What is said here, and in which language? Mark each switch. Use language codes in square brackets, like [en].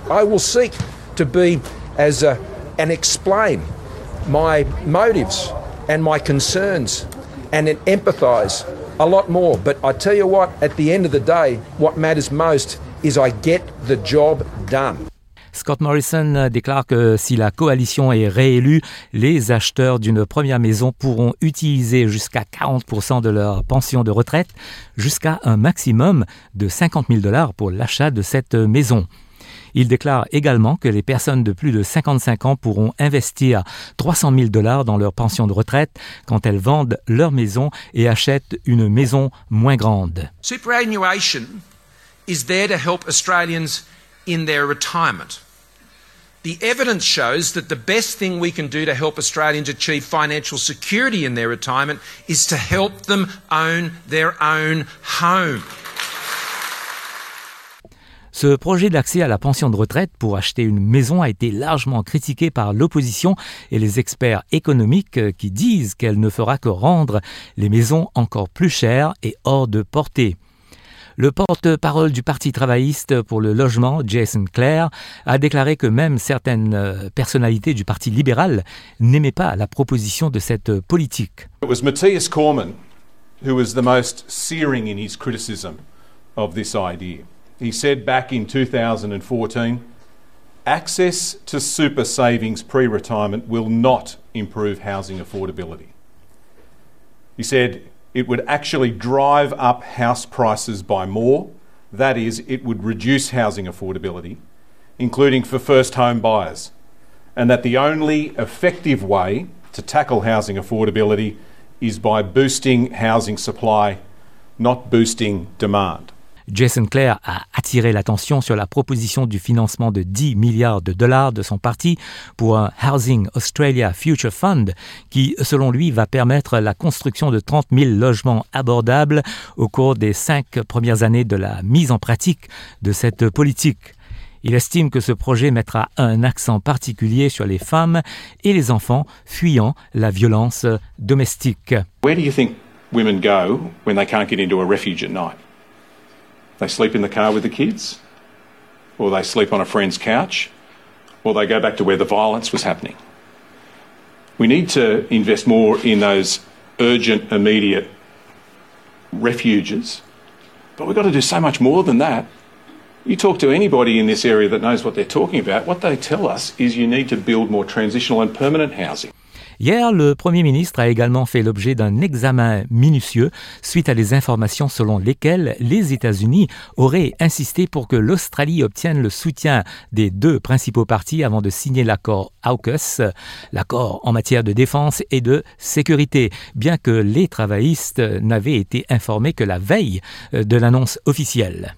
[en] I will seek to be as a and explain my motives and my concerns and empathize a lot more. But I tell you what, at the end of the day, what matters most is I get the job done. [fr] Scott Morrison déclare que si la coalition est réélue, les acheteurs d'une première maison pourront utiliser jusqu'à 40% de leur pension de retraite, jusqu'à un maximum de 50 000 $ pour l'achat de cette maison. Il déclare également que les personnes de plus de 55 ans pourront investir 300 000 $ dans leur pension de retraite quand elles vendent leur maison et achètent une maison moins grande. [en] Superannuation is there to help Australians in their retirement. The evidence shows that the best thing we can do to help Australians achieve financial security in their retirement is to help them own their own home. [fr] Ce projet d'accès à la pension de retraite pour acheter une maison a été largement critiqué par l'opposition et les experts économiques qui disent qu'elle ne fera que rendre les maisons encore plus chères et hors de portée. Le porte-parole du Parti travailliste pour le logement, Jason Clare, a déclaré que même certaines personnalités du Parti libéral n'aimaient pas la proposition de cette politique. [en] It was Matthias Cormann who was the most searing in his criticism of this idea. He said back in 2014, access to super savings pre-retirement will not improve housing affordability. He said it would actually drive up house prices by more, that is, it would reduce housing affordability, including for first home buyers, and that the only effective way to tackle housing affordability is by boosting housing supply, not boosting demand. [fr] Jason Clare a attiré l'attention sur la proposition du financement de 10 milliards de dollars de son parti pour un Housing Australia Future Fund qui, selon lui, va permettre la construction de 30 000 logements abordables au cours des 5 premières années de la mise en pratique de cette politique. Il estime que ce projet mettra un accent particulier sur les femmes et les enfants fuyant la violence domestique. [en] Where do you think women go when they can't get into a refuge at night? They sleep in the car with the kids, or they sleep on a friend's couch, or they go back to where the violence was happening. We need to invest more in those urgent, immediate refuges, but we've got to do so much more than that. You talk to anybody in this area that knows what they're talking about, what they tell us is you need to build more transitional and permanent housing. [fr] Hier, le Premier ministre a également fait l'objet d'un examen minutieux suite à des informations selon lesquelles les États-Unis auraient insisté pour que l'Australie obtienne le soutien des deux principaux partis avant de signer l'accord AUKUS, l'accord en matière de défense et de sécurité, bien que les travaillistes n'avaient été informés que la veille de l'annonce officielle.